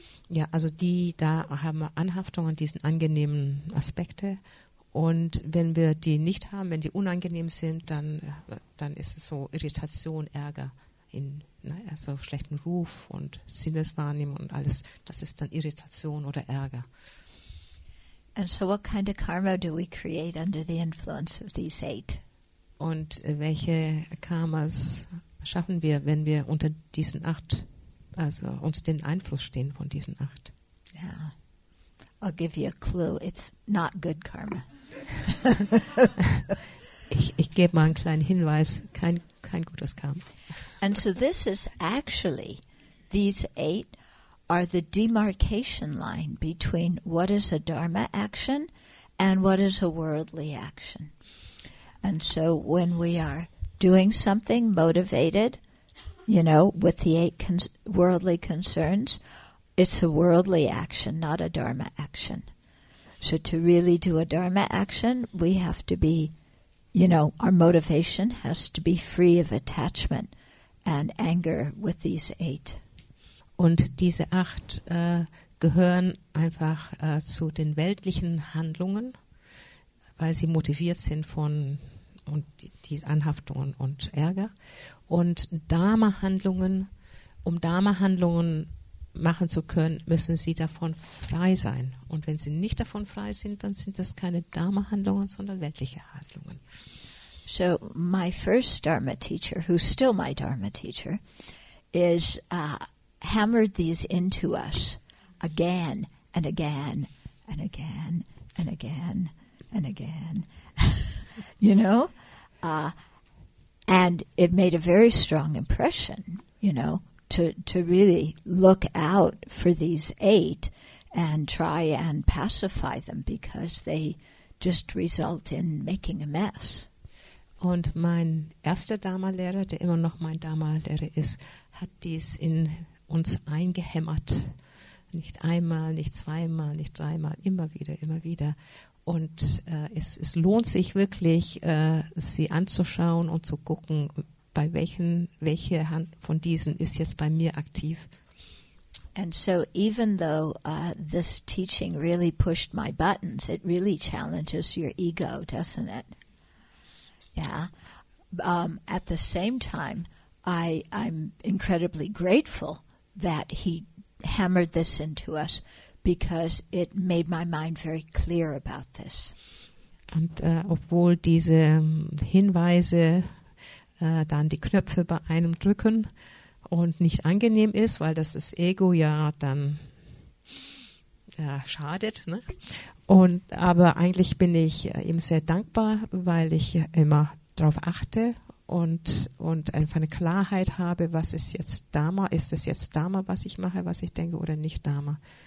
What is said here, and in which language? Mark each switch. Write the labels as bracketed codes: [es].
[de] Ja, also die da haben wir Anhaftung an diesen angenehmen Aspekte. Und wenn wir die nicht haben, wenn die unangenehm sind, dann ist es so Irritation, Ärger, also schlechten Ruf und Sinneswahrnehmung und alles. Das ist dann Irritation oder Ärger. [en] And so what kind of karma do we create under the influence of these eight? [de] Und welche Karmas schaffen wir, wenn wir unter diesen acht, also unter den Einfluss stehen von diesen acht? [en] Yeah. I'll give you a clue. It's not good karma. [de] ich gebe mal einen kleinen Hinweis. Kein gutes Karma. [en] And so this is actually, these eight are the demarcation line between what is a dharma action and what is a worldly action. And so when we are doing something motivated, you know, with the eight worldly concerns, it's a worldly action, not a dharma action. So to really do a dharma action, we have to be, you know, our motivation has to be free of attachment and anger with these eight. [de] Und diese acht gehören einfach zu den weltlichen Handlungen, weil sie motiviert sind von und die Anhaftungen und Ärger. Und Dharma-Handlungen, um Dharma-Handlungen machen zu können, müssen sie davon frei sein. Und wenn sie nicht davon frei sind, dann sind das keine Dharma-Handlungen, sondern weltliche Handlungen. [en] So, my first Dharma-Teacher, who's still my Dharma-Teacher, is hammered these into us again and again and again and again and again. You know, and it made a very strong impression, you know, to really look out for these eight and try and pacify them, because they just result in making a mess. [de] Und mein erster Dharma-Lehrer, der immer noch mein Dharma-Lehrer ist, hat dies in uns eingehämmert. Nicht einmal, nicht zweimal, nicht dreimal, immer wieder, immer wieder. Und es lohnt sich wirklich, sie anzuschauen und zu gucken, bei welche Hand von diesen ist jetzt bei mir aktiv. [en] And so even though this teaching really pushed my buttons, it really challenges your ego, doesn't it? Yeah. At the same time, I'm incredibly grateful that he hammered this into us, because it made my mind very clear about this. [de] Und obwohl diese Hinweise dann die Knöpfe bei einem drücken und nicht angenehm ist, weil das Ego ja dann schadet, ne? Und aber eigentlich bin ich ihm sehr dankbar, weil ich immer darauf achte und einfach eine Klarheit habe, was ist jetzt Dharma, ist es jetzt Dharma, was ich mache, was ich denke, oder nicht Dharma.